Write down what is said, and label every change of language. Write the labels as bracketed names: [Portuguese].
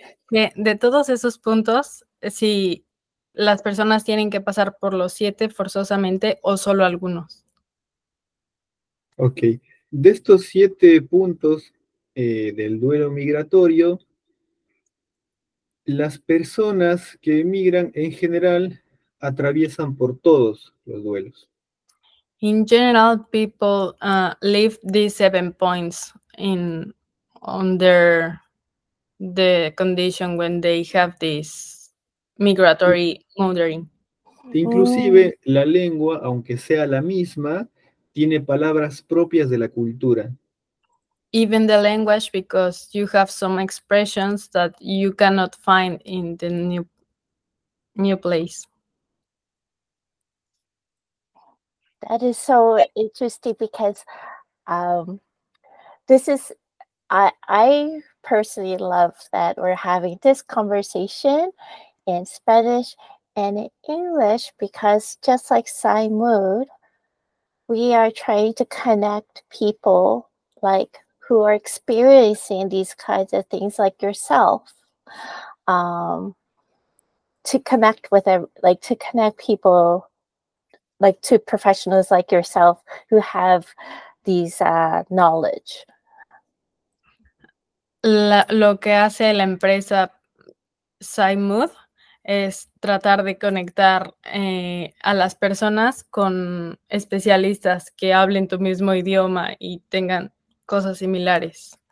[Spanish] De todos esos puntos, si las personas tienen que pasar por los siete forzosamente o solo algunos. [English] Okay. [Spanish] De estos siete puntos del duelo migratorio, las personas que emigran en general atraviesan por todos los duelos. [English] In general, people leave these 7 points under the condition when they have this migratory wandering. [Spanish] Inclusive la lengua, aunque sea la misma, tiene palabras propias de la cultura. [English] Even the language, because you have some expressions that you cannot find in the new place. That is so interesting because this is, I personally love that we're having this conversation in Spanish and in English, because just like Sai Mood, we are trying to connect people like who are experiencing these kinds of things like yourself, to connect with, like to connect people like to professionals like yourself who have these knowledge. [Spanish] Lo que hace la empresa SciMood es tratar de conectar a las personas con especialistas que hablen tu mismo idioma y tengan cosas similares.